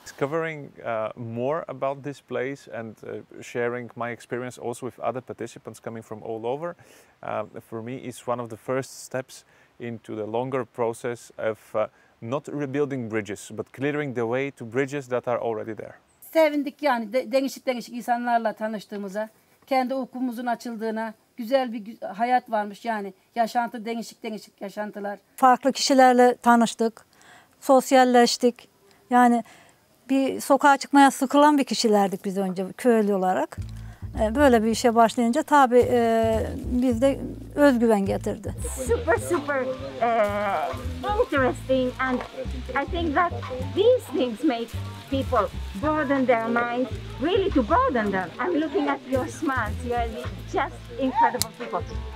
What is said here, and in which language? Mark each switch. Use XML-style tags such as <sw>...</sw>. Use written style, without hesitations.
<en>Discovering more about this place and sharing my experience also with other participants coming from all over, for me is one of the first steps into the longer process of not rebuilding bridges, but clearing the way to bridges that are already there.</en> <tr>Sevindik yani değişik insanlarla tanıştığımıza, kendi okumumuzun açıldığına, güzel bir hayat varmış yani yaşantı değişik yaşantılar. Farklı kişilerle tanıştık, sosyalleştik. Yani bir sokağa çıkmaya sıkılan bir kişilerdik biz önce köylü olarak. Böyle bir işe başlayınca tabii bizde özgüven getirdi.</tr> <en>Super super interesting and I think that these things make people broaden their minds, really to broaden them. I'm looking at your smiles, you are just incredible people.</en>